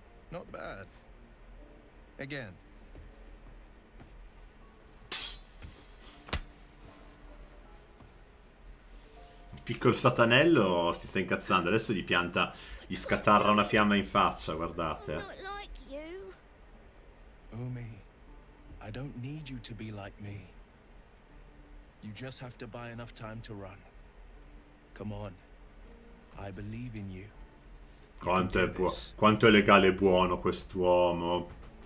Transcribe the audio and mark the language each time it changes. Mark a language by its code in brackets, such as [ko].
[en] Not bad. Again. [it] Il piccolo satanello si sta incazzando. Adesso gli pianta, gli scatarra una fiamma in faccia. Guardate. [en] Umi, I don't need you to be like me. You just have to buy enough time to run. Come on, I believe in you. [it] Quanto è buono, quanto è legale e buono quest'uomo.